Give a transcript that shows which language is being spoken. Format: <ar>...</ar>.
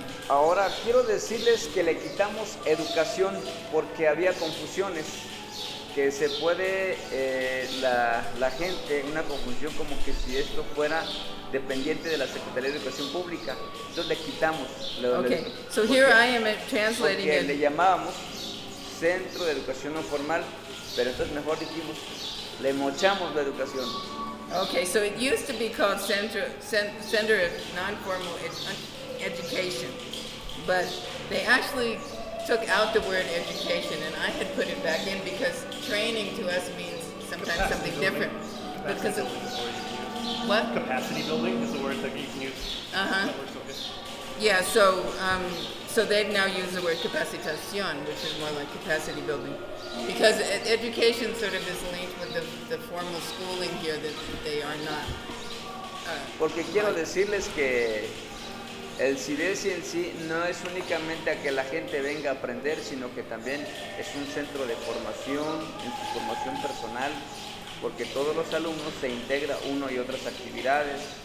<es>Ahora quiero decirles que le quitamos educación porque había confusiones, que se puede la gente, una confusión como que si esto fuera dependiente de la Secretaría de Educación Pública, entonces le quitamos.</es> <en>So here I am translating it.</en> <es>Le llamábamos Centro de Educación No Formal, pero entonces mejor dijimos, le mochamos la educación.</es> <en>Okay, so it used to be called Center of Non-Formal Education, but they actually took out the word education, and I had put it back in because training to us means sometimes something different. Because What? Capacity building is the word that you can use. Yeah, so so they've now used the word capacitación, which is more like capacity building. Because education sort of is linked with the formal schooling here that they are not.</en> <es>Porque quiero decirles que el CIDESI en sí no es únicamente a que la gente venga a aprender, sino que también es un centro de formación, en su formación personal, porque todos los alumnos se integra uno y otras actividades.</es>